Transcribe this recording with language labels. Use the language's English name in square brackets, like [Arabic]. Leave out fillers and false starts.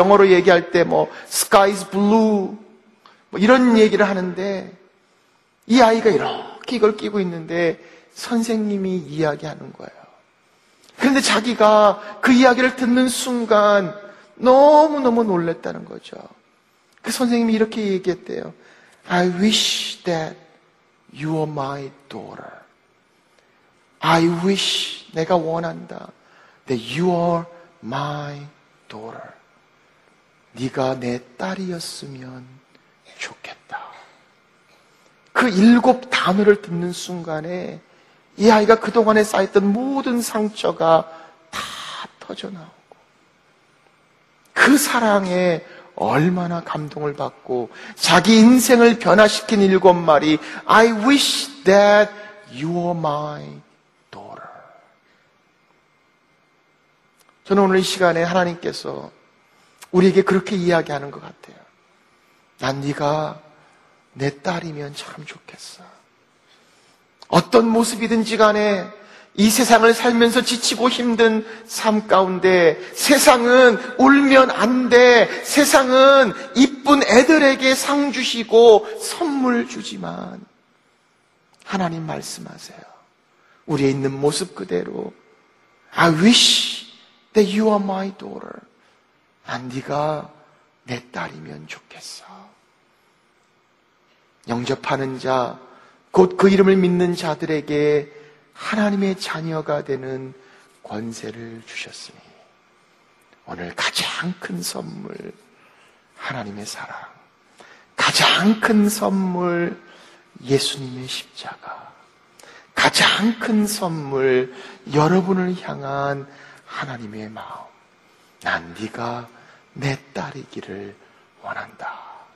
[Korean] 영어로 얘기할 때 뭐 [English] sky is blue [Korean] 뭐 이런 얘기를 하는데 이 아이가 이렇게 이걸 끼고 있는데 선생님이 이야기하는 거예요. 그런데 자기가 그 이야기를 듣는 순간 너무너무 놀랬다는 거죠. 그 선생님이 이렇게 얘기했대요. [English] I wish that you are my daughter. I wish, [Korean] 내가 원한다, [English] that you are my daughter. [Korean] 네가 내 딸이었으면 좋겠다. 그 일곱 단어를 듣는 순간에 이 아이가 그동안에 쌓였던 모든 상처가 다 터져나오고 그 사랑에 얼마나 감동을 받고 자기 인생을 변화시킨 일곱 말이 [English] I wish that you are my daughter. [Korean] 저는 오늘 이 시간에 하나님께서 우리에게 그렇게 이야기하는 것 같아요. 난 네가 내 딸이면 참 좋겠어. 어떤 모습이든지 간에 이 세상을 살면서 지치고 힘든 삶 가운데 세상은 울면 안 돼. 세상은 이쁜 애들에게 상 주시고 선물 주지만 하나님 말씀하세요. 우리의 있는 모습 그대로 [English] I wish that you are my daughter. [Korean] 난 네가 내 딸이면 좋겠어. 영접하는 자, 곧 그 이름을 믿는 자들에게 하나님의 자녀가 되는 권세를 주셨으니 오늘 가장 큰 선물, 하나님의 사랑, 가장 큰 선물, 예수님의 십자가, 가장 큰 선물, 여러분을 향한 하나님의 마음, 난 네가 내 딸이기를 원한다.